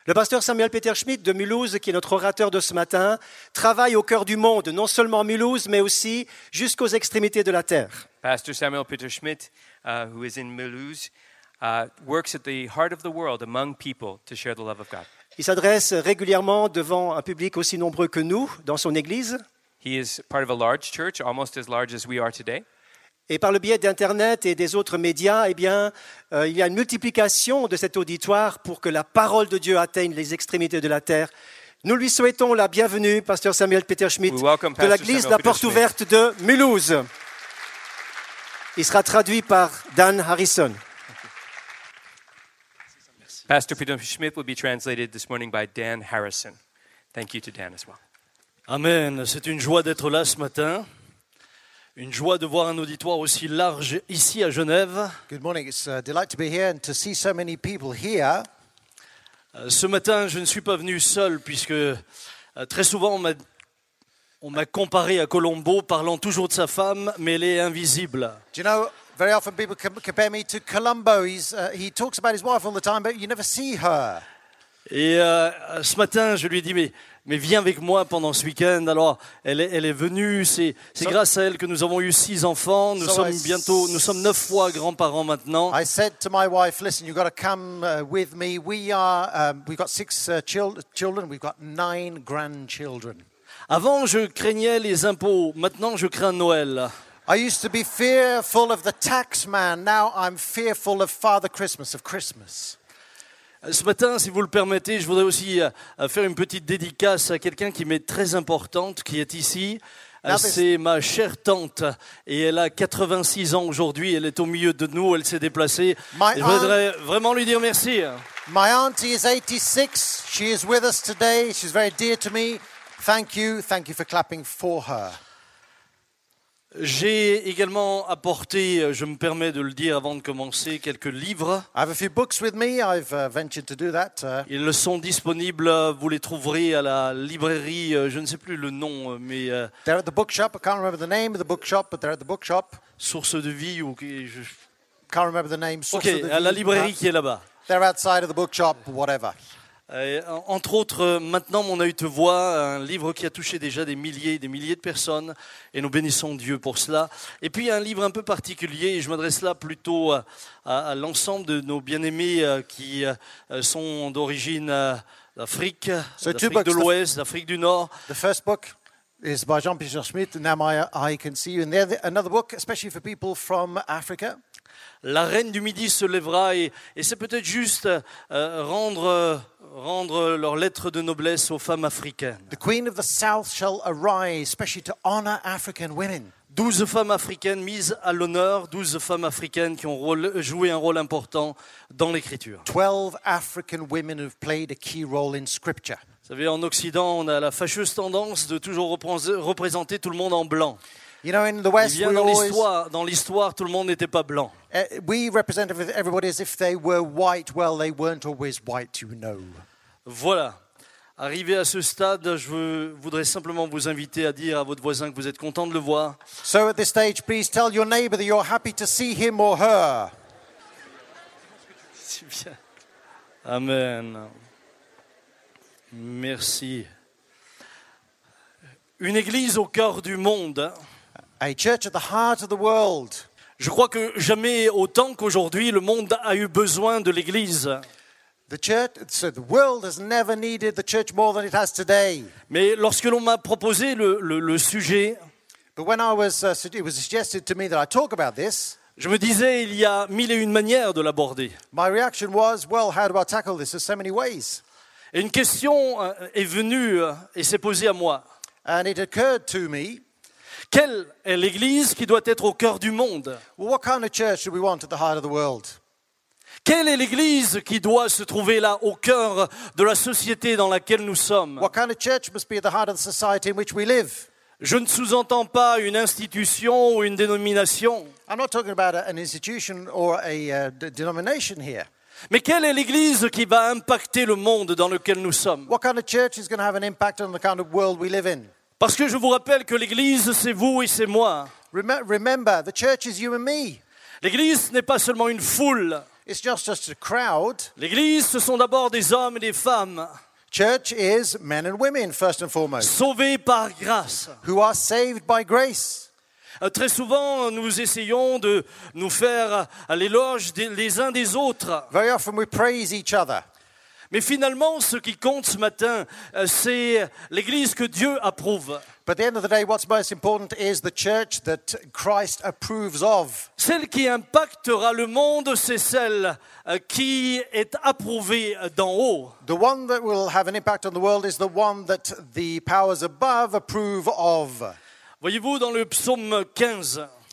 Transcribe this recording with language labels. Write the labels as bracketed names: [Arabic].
[French] Le pasteur Samuel Peter Schmidt de Mulhouse, qui est notre orateur de ce matin, travaille au cœur du monde, non seulement Mulhouse, mais aussi jusqu'aux extrémités de la terre. [English] Pastor Samuel Peter Schmidt, who is in Mulhouse, works at the heart of the world among people to share the love of God. [French] Il s'adresse régulièrement devant un public aussi nombreux que nous dans son église. [English] He is part of a large church, almost as large as we are today. [French] Et par le biais d'Internet et des autres médias, eh bien, il y a une multiplication de cet auditoire pour que la parole de Dieu atteigne les extrémités de la terre. Nous lui souhaitons la bienvenue, Pasteur Samuel Peter Schmidt, de l'église de la Porte Ouverte de Mulhouse. Il sera traduit par Dan Harrison. [English] Pasteur Peter Schmidt will be translated this morning by Dan Harrison. Thank you to Dan as well. Amen. [French] C'est une joie d'être là ce matin. Une joie de voir un auditoire aussi large ici à Genève. [English] Good morning. It's a delight to be here and to see so many people here. [French] Ce matin, je ne suis pas venu seul puisque très souvent on m'a comparé à Colombo parlant toujours de sa femme, mais elle est invisible. [English] Do you know, very often people compare me to Colombo. He talks about his wife all the time, but you never see her. [French] Et ce matin, je lui ai dit, mais viens avec moi pendant ce week-end. Alors, elle est venue, c'est grâce à elle que nous avons eu 6 enfants. Nous sommes 9 fois grands-parents maintenant. [English] I said to my wife, listen, you've got to come with me. We've got 6 children, we've got 9 grandchildren. [French] Avant, je craignais les impôts. Maintenant, je crains Noël. [English] I used to be fearful of the tax man. Now I'm fearful of Father Christmas, of Christmas. [French] Ce matin, si vous le permettez, je voudrais aussi faire une petite dédicace à quelqu'un qui m'est très importante, qui est ici. C'est ma chère tante, et elle a 86 ans aujourd'hui. Elle est au milieu de nous, elle s'est déplacée. Je voudrais vraiment lui dire merci. [English] My auntie is 86. She is with us today. She's very dear to me. Thank you. Thank you for clapping for her. [French] J'ai également apporté, je me permets de le dire avant de commencer, quelques livres. [English] I have a few books with me. I've ventured to do that. [French] Ils sont disponibles, vous les trouverez à la librairie, je ne sais plus le nom, mais... [English] They're at the bookshop. I can't remember the name of the bookshop, but they're at the bookshop. [French] Source de vie ou... [English] Can't remember the name. [French] Source de vie. OK, à la librairie qui est là-bas. [English] They're outside of the bookshop, whatever. [French] Entre autres, maintenant mon œil te voit, un livre qui a touché déjà des milliers de personnes, et nous bénissons Dieu pour cela. Et puis un livre un peu particulier, et je m'adresse là plutôt à l'ensemble de nos bien-aimés qui sont d'origine d'Afrique, d'Afrique de l'Ouest, d'Afrique du Nord. [English] The first book is by Jean-Pierre Schmitt. Now I can see you. And there's another book, especially for people from Africa. [French] La reine du Midi se lèvera, et c'est peut-être juste rendre leurs lettres de noblesse aux femmes africaines. [English] The Queen of the South shall arise, especially to honor African women. [French] 12 femmes africaines mises à l'honneur, 12 femmes africaines qui ont joué un rôle important dans l'Écriture. [English] 12 African women have played a key role in Scripture. [French] Vous savez, en Occident, on a la fâcheuse tendance de toujours représenter tout le monde en blanc. [English] You know, in the West, [French] bien, dans l'histoire, tout le monde n'était pas blanc. [English] We represent everybody as if they were white. Well, they weren't always white, you know. [French] Voilà. Arrivé à ce stade, je voudrais simplement vous inviter à dire à votre voisin que vous êtes content de le voir. [English] So at this stage, please tell your neighbor that you're happy to see him or her. [French] C'est bien. Amen. Merci. Une église au cœur du monde. [English] A church at the heart of the world. [French] Je crois que jamais autant qu'aujourd'hui, le monde a eu besoin de l'Église. [English] The world has never needed the church more than it has today. [French] Mais lorsque l'on m'a proposé le sujet, [English] but when I was it was suggested to me that I talk about this, [French] je me disais il y a mille et une manières de l'aborder. [English] My reaction was, well, how do I tackle this? There's so many ways. [French] Et une question est venue et s'est posée à moi. [English] And it occurred to me. [French] Quelle est l'Église qui doit être au cœur du monde? [English] Well, what kind of church do we want at the heart of the world? [French] Quelle est l'Église qui doit se trouver là, au cœur de la société dans laquelle nous sommes? [English] What kind of church must be at the heart of the society in which we live? [French] Je ne sous-entends pas une institution ou une dénomination. [English] I'm not talking about an institution or a denomination here. [French] Mais quelle est l'Église qui va impacter le monde dans lequel nous sommes? [English] What kind of church is going to have an impact on the kind of world we live in? [French] Parce que je vous rappelle que l'Église, c'est vous et c'est moi. [English] Remember, the church is you and me. [French] L'Église n'est pas seulement une foule. [English] It's not just a crowd. [French] L'église, ce sont d'abord des hommes et des femmes. [English] Church is men and women first and foremost. [French] Sauvés par grâce. [English] Who are saved by grace. [French] Très souvent, nous essayons de nous faire l'éloge les uns des autres. [English] Very often we praise each other. [French] Mais finalement, ce qui compte ce matin, c'est l'Église que Dieu approuve. [English] But at the end of the day, what's most important is the church that Christ approves of. [French] Celle qui impactera le monde, c'est celle qui est approuvée d'en haut. [English] The one that will have an impact on the world is the one that the powers above approve of. [French] Voyez-vous dans le psaume 15.